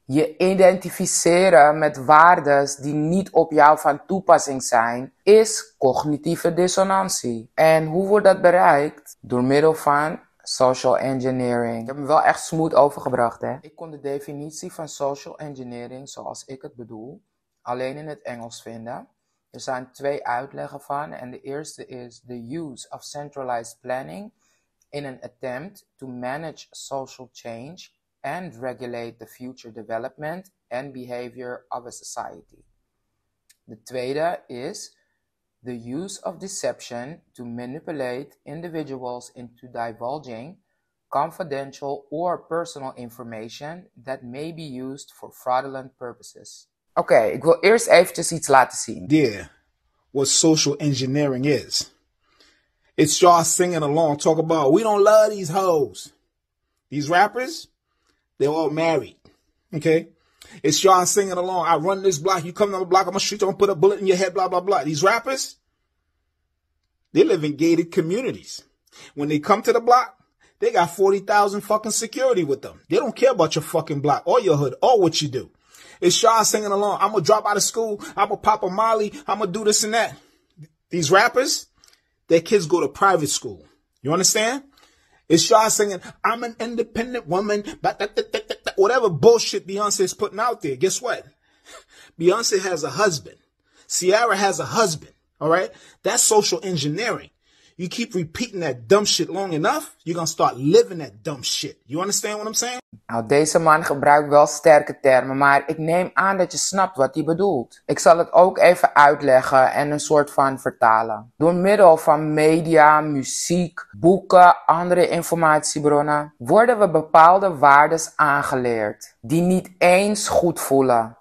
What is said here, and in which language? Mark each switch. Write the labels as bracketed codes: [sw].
[nl] Je identificeren met waardes die niet op jou van toepassing zijn, is cognitieve dissonantie. En hoe wordt dat bereikt? Door middel van social engineering. Ik heb me wel echt smooth overgebracht, hè? Ik kon de definitie van social engineering, zoals ik het bedoel, alleen in het Engels vinden. Er zijn 2 uitleggen van. En de eerste is [en] the use of centralized planning in an attempt to manage social change and regulate the future development and behavior of a society. [nl] De tweede is [en] the use of deception to manipulate individuals into divulging confidential or personal information that may be used for fraudulent purposes. [nl] Oké, ik wil eerst eventjes iets laten zien. [en] Dear, what social engineering is. It's y'all singing along, talk about, we don't love these hoes. These rappers, they're all married, okay? It's y'all singing along, I run this block, you come down the block, I'm gonna shoot you, I'm gonna put a bullet in your head, blah, blah, blah. These rappers, they live in gated communities. When they come to the block, they got 40,000 fucking security with them. They don't care about your fucking block or your hood or what you do. It's y'all singing along. I'm gonna drop out of school. I'm gonna pop a Molly. I'm gonna do this and that. These rappers, their kids go to private school. You understand? It's y'all singing, I'm an independent woman. Whatever bullshit Beyonce is putting out there. Guess what? Beyonce has a husband. Ciara has a husband. All right? That's social engineering. You keep repeating that dumb shit long enough, you're gonna start living that dumb shit. You understand what I'm saying? [nl] Nou, deze man gebruikt wel sterke termen, maar ik neem aan dat je snapt wat hij bedoelt. Ik zal het ook even uitleggen en een soort van vertalen. Door middel van media, muziek, boeken, andere informatiebronnen, worden we bepaalde waardes aangeleerd die niet eens goed voelen.